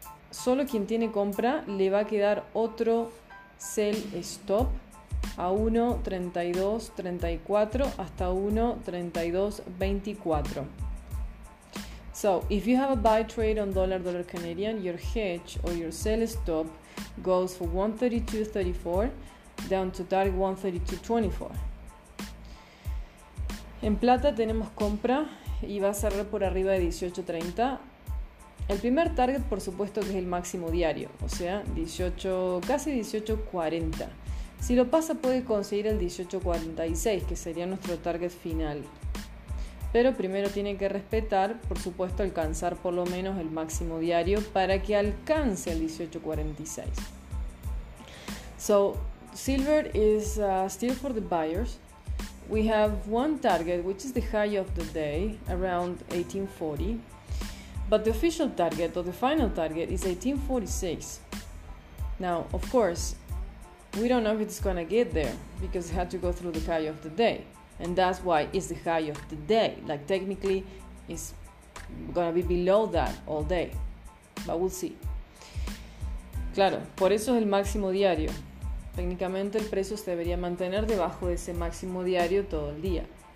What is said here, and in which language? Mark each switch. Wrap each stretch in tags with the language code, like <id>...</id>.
<es>Solo quien tiene compra le va a quedar otro sell stop a 1.3234 hasta 1.3224.</es> <en>So, if you have a buy trade on dollar Canadian, your hedge or your sell stop goes for 1.3234 down to target 1.3224.</en> <es>En plata tenemos compra y va a cerrar por arriba de 18.30. El primer target, por supuesto, que es el máximo diario, o sea, casi 18.40. Si lo pasa, puede conseguir el 18.46, que sería nuestro target final. Pero primero tiene que respetar, por supuesto, alcanzar por lo menos el máximo diario para que alcance el 18.46.</es> <en>So, silver is still for the buyers. We have one target, which is the high of the day, around 18.40. But the official target, or the final target, is 18.46. Now, of course, we don't know if it's going to get there because it had to go through the high of the day. And that's why it's the high of the day. Like, technically, it's going to be below that all day. But we'll see.</en> <es>Claro, por eso es el máximo diario. Técnicamente, el precio se debería mantener debajo de ese máximo diario todo el día.</es>